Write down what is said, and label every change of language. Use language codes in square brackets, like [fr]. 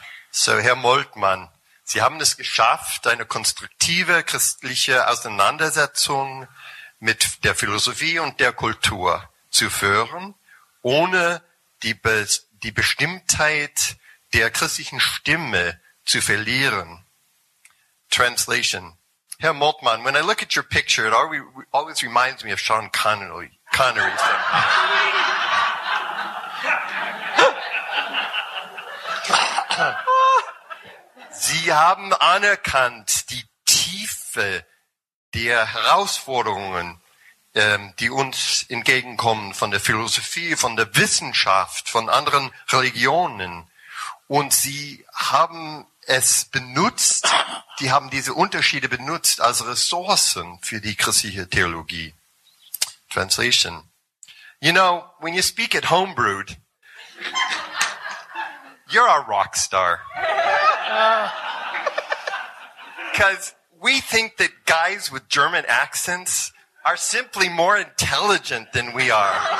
[de] So, Herr Moltmann, Sie haben es geschafft, eine konstruktive christliche Auseinandersetzung mit der Philosophie und der Kultur zu führen, ohne die Bestimmtheit der christlichen Stimme zu verlieren. [en] Translation. Herr Moltmann, when I look at your picture, it always reminds me of Sean Connery. [de] Sie haben anerkannt die Tiefe der Herausforderungen, die uns entgegenkommen von der Philosophie, von der Wissenschaft, von anderen Religionen. Und Sie haben es benutzt, die haben diese Unterschiede benutzt als Ressourcen für die christliche Theologie. [en] Translation. You know, when you speak at Homebrewed, you're a rock star. Because we think that guys with German accents are simply more intelligent than we are.